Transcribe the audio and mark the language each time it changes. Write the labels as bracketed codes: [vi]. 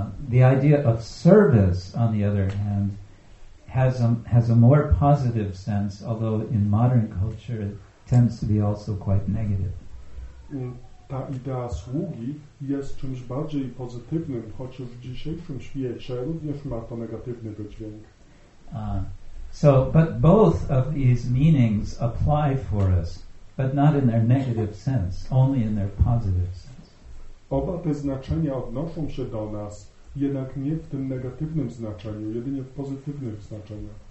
[en] The idea of service, on the other hand, has a more positive sense, although in modern culture it tends to be also quite negative. [pl] Ta idea sługi jest czymś bardziej pozytywnym, chociaż w dzisiejszym świecie również ma to negatywny wydźwięk. [en] But both of these meanings apply for us. But not in their negative sense, only in their positive sense. [pl] Oba te znaczenia odnoszą się do nas, jednak nie w tym negatywnym znaczeniu, jedynie w pozytywnym znaczeniu.